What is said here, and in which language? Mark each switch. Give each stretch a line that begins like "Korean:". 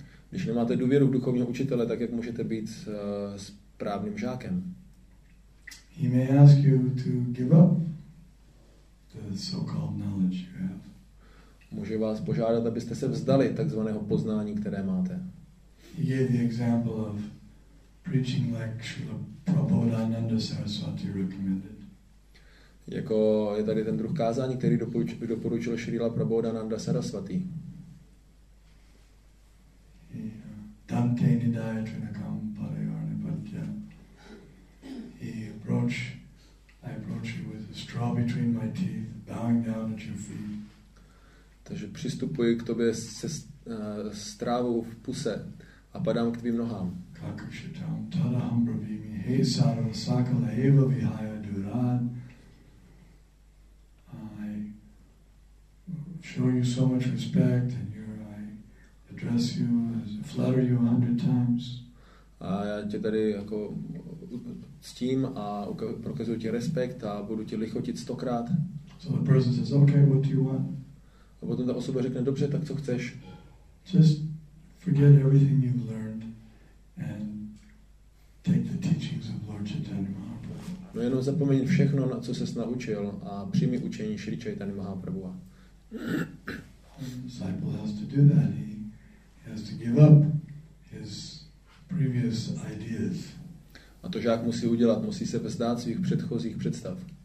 Czech: Když nemáte důvěru v duchovního učitele, tak jak můžete být správným žákem?
English: He may ask you to give up the so-called knowledge you have.
Czech: Může vás požádat, abyste se vzdali takzvaného poznání, které máte.
English: He gave the example of preaching like Srila Prabhupada Saraswati recommended.
Czech: Jako je tady ten druh kázání, který doporučil Srila Prabhupada Saraswati.
Sanskrit: Dante Nidaya Trinakam Parayarni Padya.
English: I approach you with a straw between my teeth, bowing down at your feet.
Czech: Takže přistupuji k tobě se strávou v puse. A padám k tvým nohám.
Sanskrit: Kakushitam tadaham bravimi he sarva sakala eva vihaya durad.
English: I show you so much respect and I address you as I flatter you 100 times.
Czech: A já tě tady jako ctím a prokazuju ti respekt a budu tě lichotit 100krát.
English: So the person says, okay, what do you want?
Czech: A potom ta osoba řekne, dobře, tak co chceš?
English: Just forget everything you've learned and take the teachings of Lord Chaitanya Mahaprabhu.
Czech: No jenom zapomeň všechno, na co ses naučil, a přijmi učení Sri Chaitanya Mahaprabhu.
English: A disciple has to do that. He has to give up his previous ideas.
Czech: A to žák musí udělat, musí se vzdát svých předchozích představ.